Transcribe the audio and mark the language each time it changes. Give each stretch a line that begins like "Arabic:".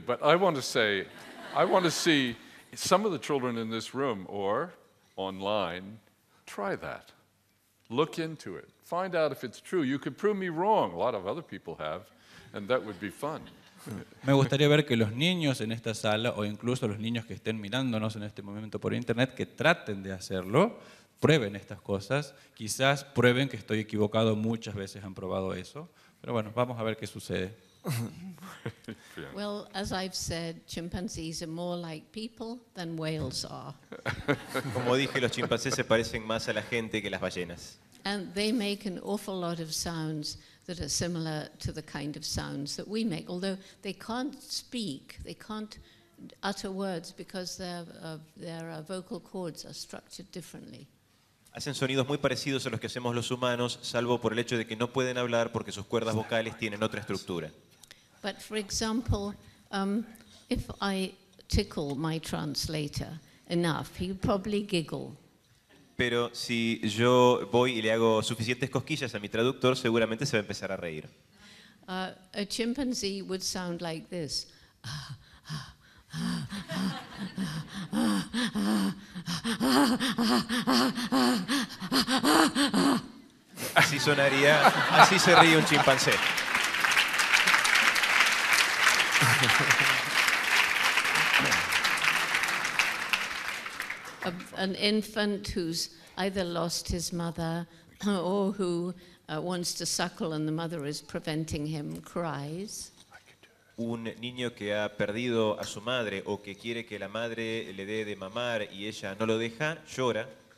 English: But I want to say, I want to see some of the children in this room or online, try that. Look into it. Find out if it's true. You could prove me wrong. A lot of other people have, and that would be fun.
Spanish: Me gustaría ver que los niños en esta sala o incluso los niños que estén mirándonos en este momento por internet que traten de hacerlo, prueben estas cosas, quizás prueben que estoy equivocado, muchas veces han probado eso, pero bueno, vamos a ver qué sucede.
English: Well, as I've said, chimpanzees are more like people than whales are.
Spanish: Como dije, los chimpancés se parecen más a la gente que las ballenas.
English: And they make an awful lot of sounds that are similar to the kind of sounds that we make, although they can't speak, they can't utter words because their vocal cords are structured differently.
Spanish: Hacen sonidos muy parecidos a los que hacemos los humanos, salvo por el hecho de que no pueden hablar porque sus cuerdas vocales tienen otra estructura.
English: But for example, if I tickle my translator enough, he'd probably giggle.
Spanish: Pero si yo voy y le hago suficientes cosquillas a mi traductor, seguramente se va a empezar a reír.
English: A chimpanzee would sound like this.
Spanish: Así sonaría, así se ríe un chimpancé.
English: An infant who's either lost his mother or who wants to suckle and the mother is preventing him cries.
Spanish: Un niño que ha perdido a su madre o que quiere que la madre le dé de mamar y ella no lo deja, llora.